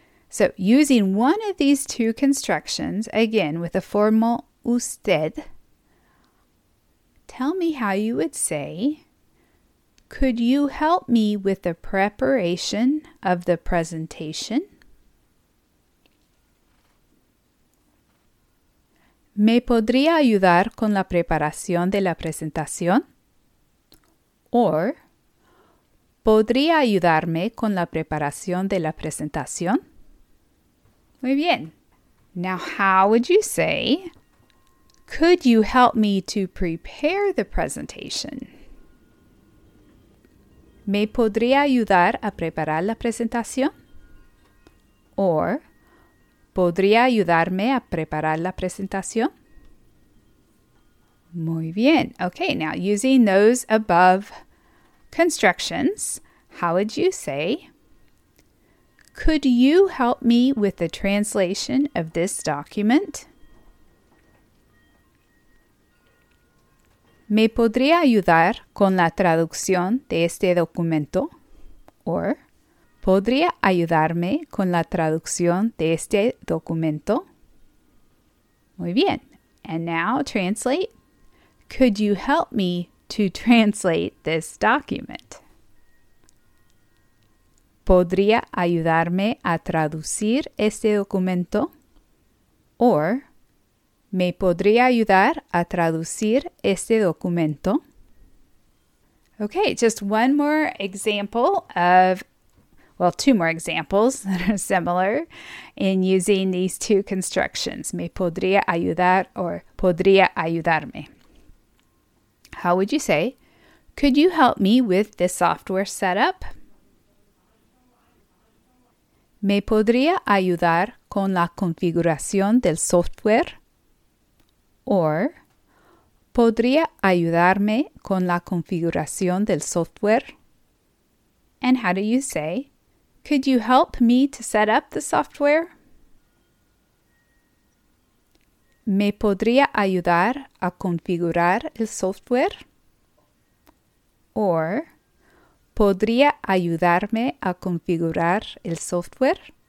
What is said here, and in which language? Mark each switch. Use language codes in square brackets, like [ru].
[en] So, using one of these two constructions, again, with a formal usted, tell me how you would say, could you help me with the preparation of the presentation? [es] ¿Me podría ayudar con la preparación de la presentación? [en] Or, [es] ¿podría ayudarme con la preparación de la presentación? Muy bien. [en] Now, how would you say, could you help me to prepare the presentation? [es] ¿Me podría ayudar a preparar la presentación? [en] Or, [es] ¿podría ayudarme a preparar la presentación? Muy bien. [en] Okay, now using those above constructions, how would you say, could you help me with the translation of this document? [es] ¿Me podría ayudar con la traducción de este documento? [en] Or, [es] ¿podría ayudarme con la traducción de este documento? Muy bien. [en] And now translate. Could you help me to translate this document? [es] ¿Podría ayudarme a traducir este documento? [en] Or, [es] ¿Me podría ayudar a traducir este documento? [en] Okay, just one more example of, well, two more examples that are similar in using these two constructions. [es] ¿Me podría ayudar [en] or [es] podría ayudarme? [en] How would you say, could you help me with this software setup? [es] ¿Me podría ayudar con la configuración del software? [en] Or, [es] ¿podría ayudarme con la configuración del software? [en] And how do you say, could you help me to set up the software? [es] ¿Me podría ayudar a configurar el software? [en] Or, [es] ¿podría ayudarme a configurar el software?